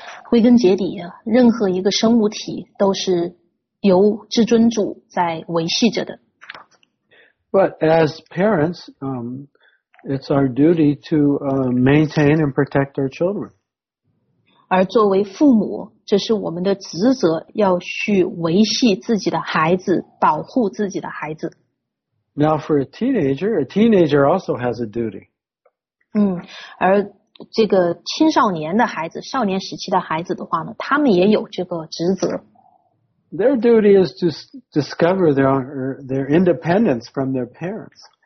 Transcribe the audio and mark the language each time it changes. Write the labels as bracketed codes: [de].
[zh] 归根结底，任何一个生物体都是由至尊主在维系着的。 [en] But as parents, it's our duty to maintain and protect our children. [zh] 而作为父母，这是我们的职责，要去维系自己的孩子，保护自己的孩子。 [en] Now for a teenager also has a duty. [zh] 而这个青少年的孩子，少年时期的孩子的话呢，他们也有这个职责。 [en] Their duty is to discover their independence from their parents.